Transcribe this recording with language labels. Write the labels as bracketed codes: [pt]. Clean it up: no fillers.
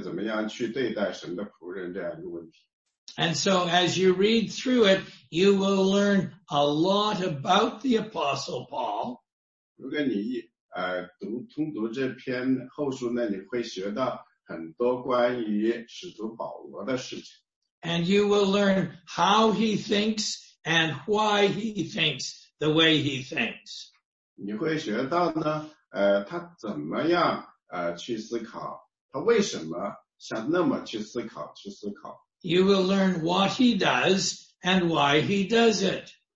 [zh] 所以呢，我想呢，格林多后书的主题应该是所有的讲的关于那些传道者他们怎么去思想、怎么去工作，还有神的仆人，大家怎么样去对待神的仆人这样一个问题。 [en] And so as you read through it, you will learn a lot about the Apostle Paul. [zh] 如果你读这篇后书呢，你会学到很多关于使徒保罗的事情。 [en] And you will learn how he thinks and why he thinks the way he thinks. [zh] 你会学到呢，他怎么样去思考，他为什么想那么去思考。 [en] You will learn what he does and why he does it.